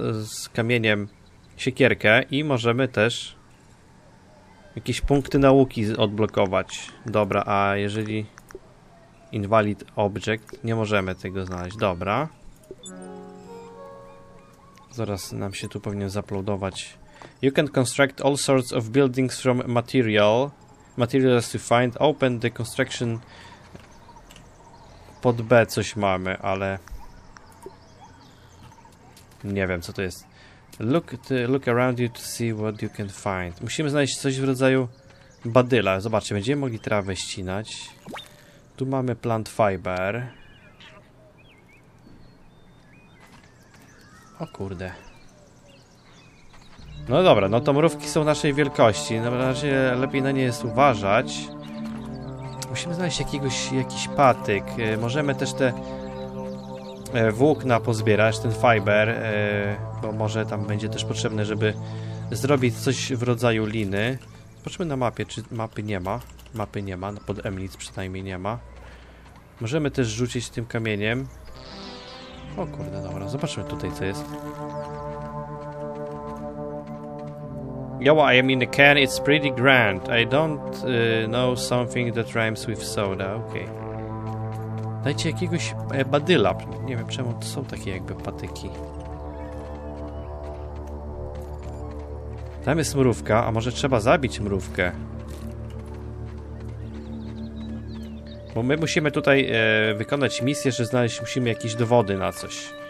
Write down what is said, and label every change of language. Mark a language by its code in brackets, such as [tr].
[pl] z kamieniem siekierkę i możemy też... jakieś punkty nauki odblokować. Dobra, a jeżeli... [en] Invalid object, [pl] nie możemy tego znaleźć. Dobra. Zaraz nam się tu powinien zaploadować. [en] You can construct all sorts of buildings from material. Materials to find. Open the construction. [pl] Pod B coś mamy, ale... Nie wiem, co to jest. [en] Look around you to see what you can find. [pl] Musimy znaleźć coś w rodzaju badyla. Zobaczcie, będziemy mogli trawę ścinać. Tu mamy plant fiber. O kurde. No dobra, no to mrówki są naszej wielkości. Na razie lepiej na nie jest uważać. Musimy znaleźć jakiś patyk. Możemy też te włókna pozbierać, ten fiber, bo może tam będzie też potrzebne, żeby zrobić coś w rodzaju liny. Zobaczmy na mapie, czy mapy nie ma. Mapy nie ma, pod M nic przynajmniej nie ma. Możemy też rzucić tym kamieniem. O kurde, dobra, zobaczmy tutaj, co jest. [en] Yo, I am in the can, it's pretty grand. I don't know something that rhymes with soda, okay. [pl] Dajcie jakiegoś badyla. Nie wiem, czemu to są takie jakby patyki. Tam jest mrówka, a może trzeba zabić mrówkę? Bo my musimy tutaj wykonać misję, że znaleźć musimy jakieś dowody na coś.